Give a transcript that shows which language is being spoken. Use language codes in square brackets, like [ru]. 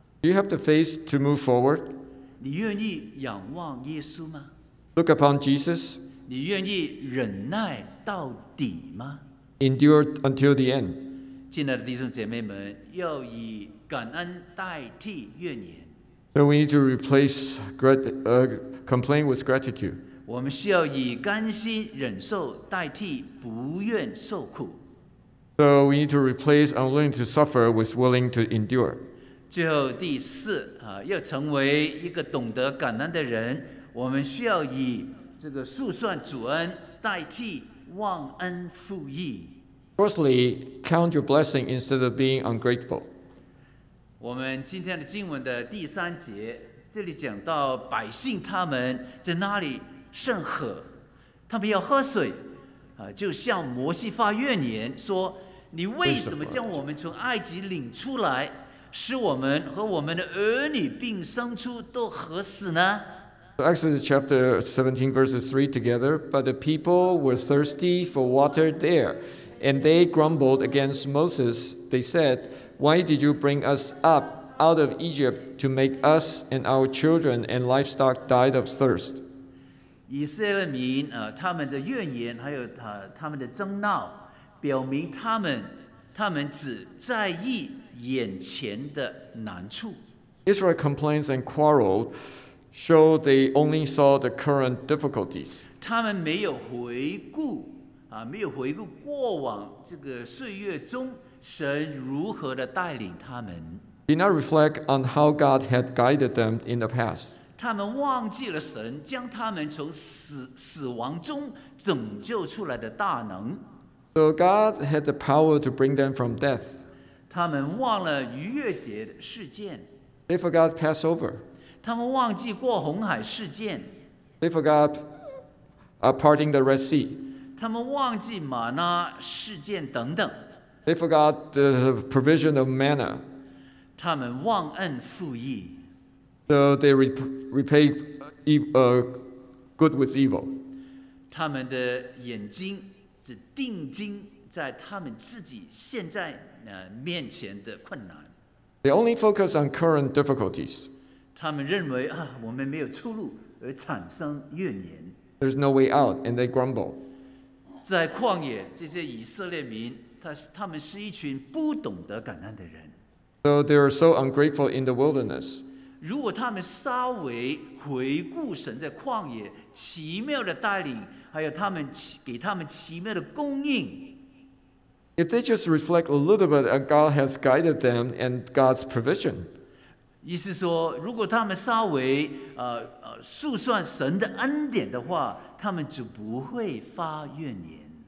[en] Do you have the faith to move forward? [zh] 你愿意仰望耶稣吗？ [en] Look upon Jesus. [zh] 你愿意忍耐到底吗？ [en] Endure until the end. [zh] 亲爱的弟兄姐妹们，要以感恩代替怨言。 [en] So we need to replace complaint with gratitude. [zh] 我们需要以甘心忍受代替不愿受苦。 [en] So we need to replace unwilling to suffer with willing to endure. [zh] 最后第四，要成为一个懂得感恩的人，我们需要以这个述算主恩代替忘恩负义。 [en] Firstly, count your blessing instead of being ungrateful. [zh] 我们今天的经文的第三节，这里讲到百姓他们在那里甚渴，他们要喝水，就向摩西发怨言说，你为什么将我们从埃及领出来，使我们和我们的儿女并牲畜都渴死呢？ [en] Exodus chapter 17 verses 3 together, but the people were thirsty for water there, and they grumbled against Moses. They said, why did you bring us up out of Egypt to make us and our children and livestock die of thirst? [zh] 以色列民他们的怨言还有他们的争闹，表明他们只在意眼前的难处。 [en] Israel complains and quarreled, show they only saw the current difficulties. [zh] 他们没有回顾没有回顾过往这个岁月中神如何的带领他们。 [en] Did not reflect on how God had guided them in the past. [zh] 他们忘记了神将他们从 死亡中拯救出来的大能。 [en] So God had the power to bring them from death. [zh] 他们忘了逾越节的事件。 [en] They forgot Passover. [zh] 他们忘记过红海事件。 [en] They forgot parting the Red Sea. [zh] 他们忘记玛纳事件等等。 [en] They forgot the provision of manna. [zh] 他们忘恩负义。 [en] They repay good with evil. [zh] 他们的眼睛只定睛在他们自己现在面前的困难。 [en] They only focus on current difficulties. [zh] 他们认为啊，我们没有出路，而产生怨言。 [en] There's no way out, and they grumble. [zh] 在旷野，这些以色列民，他们是一群不懂得感恩的人。 [en] So they are so ungrateful in the wilderness. [zh] 如果他们稍微回顾神在旷野奇妙的带领，还有他们给他们奇妙的供应。 [en] If they just reflect a little bit on God has guided them and God's provision. [zh] 意思说，如果他们稍微数算神的恩典的话，他们就不会发怨言。